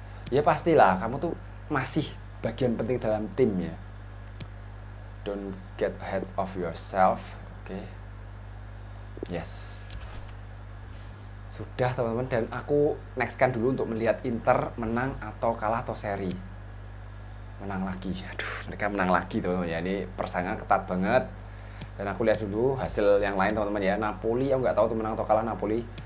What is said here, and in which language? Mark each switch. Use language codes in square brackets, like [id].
[id] Ya pastilah, kamu tuh masih bagian penting dalam tim ya. [en] Don't get ahead of yourself. Oke. Yes. [id] Sudah teman-teman, dan aku next-kan dulu untuk melihat Inter menang atau kalah atau seri. Menang lagi, aduh mereka menang lagi teman-teman ya, ini persaingan ketat banget. Dan aku lihat dulu hasil yang lain teman-teman ya, Napoli, aku nggak tahu tuh menang atau kalah Napoli.